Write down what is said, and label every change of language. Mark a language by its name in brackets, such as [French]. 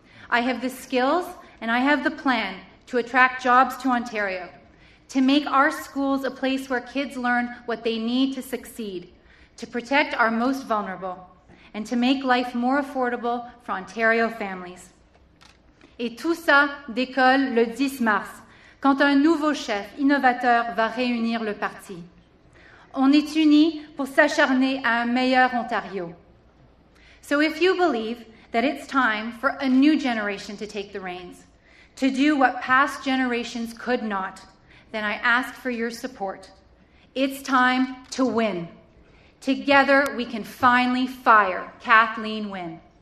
[English] I have the skills and I have the plan to attract jobs to Ontario, to make our schools a place where kids learn what they need to succeed, to protect our most vulnerable, and to make life more affordable for Ontario families. [French] Et tout ça décolle le 10 mars. Quand un nouveau chef innovateur va réunir le parti. On est unis pour s'acharner à un meilleur Ontario. [English] So if you believe that it's time for a new generation to take the reins, to do what past generations could not, then I ask for your support. It's time to win. Together we can finally fire Kathleen Wynne.